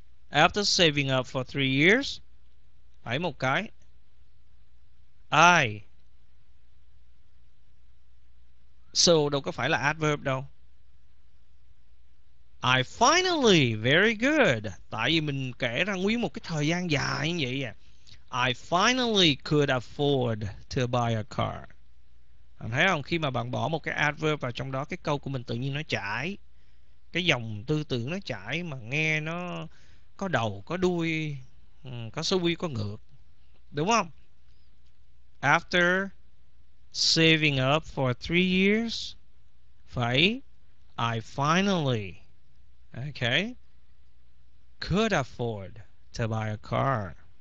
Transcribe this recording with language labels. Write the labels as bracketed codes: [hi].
[en] After saving up for 3 years. [vi] Phải một cái. [en] I. [vi] So đâu có phải là adverb đâu. [en] I finally, very good. [vi] Tại vì mình kể ra nguyên một cái thời gian dài như vậy à. [en] I finally could afford to buy a car. [vi] Bạn thấy không? Khi mà bạn bỏ một cái adverb vào trong đó, cái câu của mình tự nhiên nó chảy. Cái dòng tư tưởng nó chảy mà nghe nó có đầu, có đuôi, có xuôi, có ngược. Đúng không? [en] After saving up for 3 years, phải I finally, okay, could afford to buy a car.